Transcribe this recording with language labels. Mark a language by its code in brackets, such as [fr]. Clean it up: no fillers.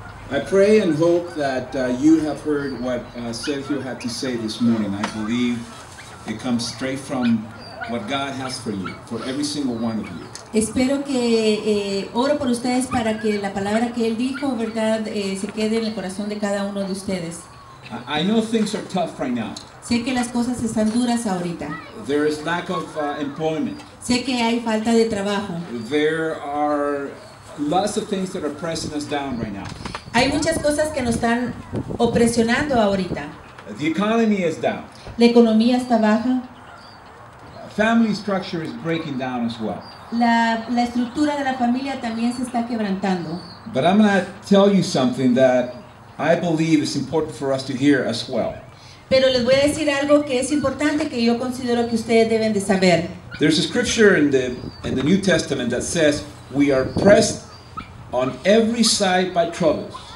[en] I pray and hope that you have heard what Sergio had to say this morning. I believe it comes straight from what God has for you, for every single one of you. [es] Espero que oro por ustedes para que la palabra que él dijo, verdad, se quede en el corazón de cada uno de ustedes. [en] I know things are tough right now. [es] Sé que las cosas están duras ahorita. [en] There is lack of employment. [es] Sé que hay falta de trabajo. [en] There are lots of things that are pressing us down right now. [es] Hay muchas cosas que nos están opresionando ahorita. [en] The economy is down. [es] La economía está baja. [en] Family structure is breaking down as well. [es] La estructura de la familia también se está quebrantando. [en] But I'm going to tell you something that I believe it's important for us to hear as well. [es] Pero les voy a decir algo que es importante que yo considero que ustedes deben de saber. [en] There's a scripture in the New Testament that says we are pressed on every side by troubles.